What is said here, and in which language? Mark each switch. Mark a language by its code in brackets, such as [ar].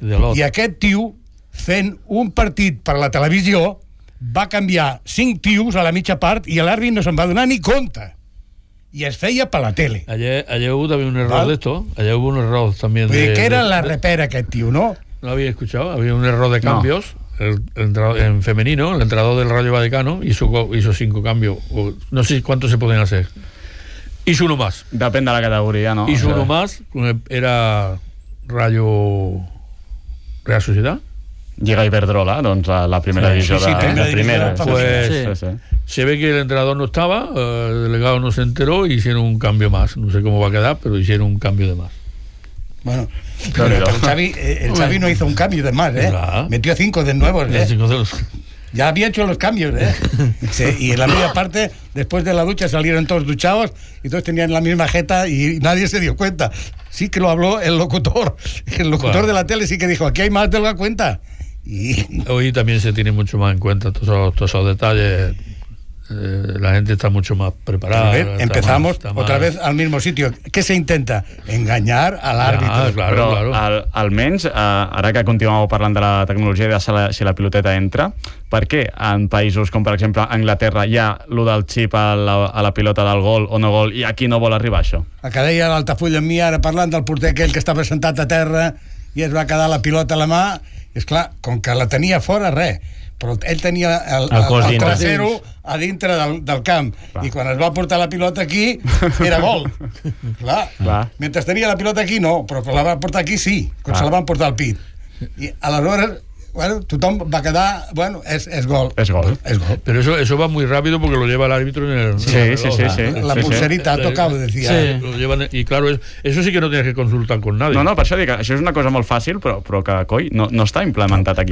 [ca] I aquest tio, fent un partit per la televisió, va canviar 5 tios a la mitja part i l'àrbit no se'n va donar ni compte. I es feia per la tele. Allà hi havia un error d'esto. Allà hi havia un error també. Que era la repera aquest tio, no? [es] No havia escuchado, había un error de cambios. No. en femenino, el entrenador del Rayo Vallecano, hizo 5 cambios. No sé cuántos se pueden hacer. Hizo uno más. Depende de la categoría, ¿no? Hizo uno más, era Rayo Real Sociedad. [ca] Llega Iberdrola, doncs, la primera divisió. Sí, la primera. [es] Se ve que el entrenador no estaba, el delegado no se enteró, y hicieron un cambio más. No sé cómo va a quedar, pero hicieron un cambio de más. Bueno, pero el Xavi no hizo un cambio de más, ¿eh? Claro. Metió 5 de nuevo, ¿eh? Ya había hecho los cambios, ¿eh? Sí, y en la media parte, después de la ducha, salieron todos duchados y todos tenían la misma jeta y nadie se dio cuenta. Sí que lo habló el locutor bueno, de la tele, sí que dijo, aquí hay más de la cuenta. Hoy también se tiene mucho más en cuenta todos esos detalles. La gente está mucho más preparada. Ver, empezamos más, otra vez al mismo sitio. ¿Qué se intenta? Engañar a l'àrbitre. Ah, claro. [ca] Almenys, ara que continuem parlant de la tecnologia, de si la piloteta entra, per què en països com, per exemple, Anglaterra, hi ha lo del xip a la pilota del gol o no gol, i aquí no vol arribar això? El que deia l'Altafulla amb mi, ara parlant del porter aquell que estava sentat a terra i es va quedar la pilota a la mà, és clar, com que la tenia fora, res. Però ell tenia el trasero a dintre del camp. Clar. I quan es va portar la pilota aquí, era gol. Clar. Mentre tenia la pilota aquí, no. Però quan la va portar aquí, sí. Quan se la van portar al pit. I aleshores, bueno, tothom va quedar... Bueno, és gol. És gol. És gol. [es] Però eso va muy rápido porque lo lleva el árbitro en el... Sí. La pulserita ha tocado, decía. Sí. Y claro, eso sí que no tienes que consultar con nadie. [ca] No, per això dic, això és una cosa molt fàcil, però que, coi, no està implementat aquí.